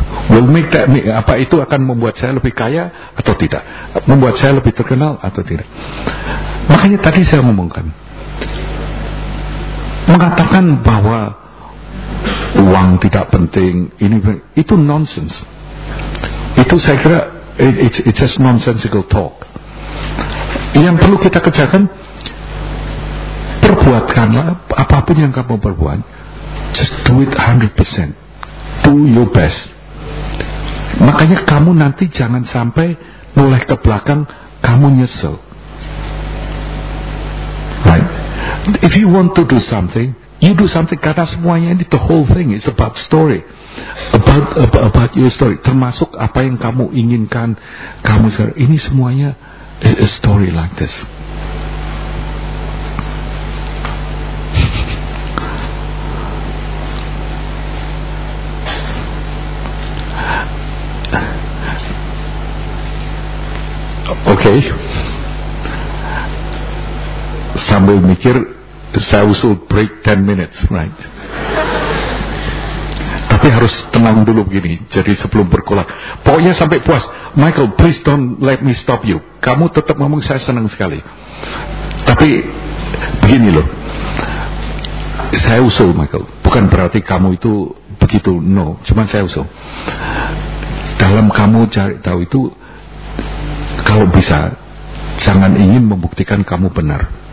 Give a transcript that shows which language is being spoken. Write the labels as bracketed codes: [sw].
[en] Will make that me, [id] apa itu akan membuat saya lebih kaya atau tidak? Membuat saya lebih terkenal atau tidak? Makanya tadi saya ngomongkan, mengatakan bahwa uang tidak penting, ini itu nonsense. Itu saya kira [en] it's just nonsensical talk. [id] Yang perlu kita kerjakan, perbuatkanlah apapun yang kamu perbuat, [en] just do it 100%, do your best. [id] Makanya kamu nanti jangan sampai noleh ke belakang kamu nyesel. [en] If you want to do something, you do something. [id] Karena semuanya ini, [en] the whole thing is about story, about your story. [id] Termasuk apa yang kamu inginkan, kamu sekarang ini semuanya [en] a story like this. Okay. [id] Sambil mikir, saya usul [en] break 10 minutes, right? [id] Tapi harus tenang dulu begini, jadi sebelum berkolak. Pokoknya sampai puas. [en] Michael, please don't let me stop you. [id] Kamu tetap ngomong, saya senang sekali. Tapi begini loh, saya usul Michael, bukan berarti kamu itu begitu, no. Cuma saya usul, dalam kamu cari tahu itu, kalau bisa jangan ingin membuktikan kamu benar.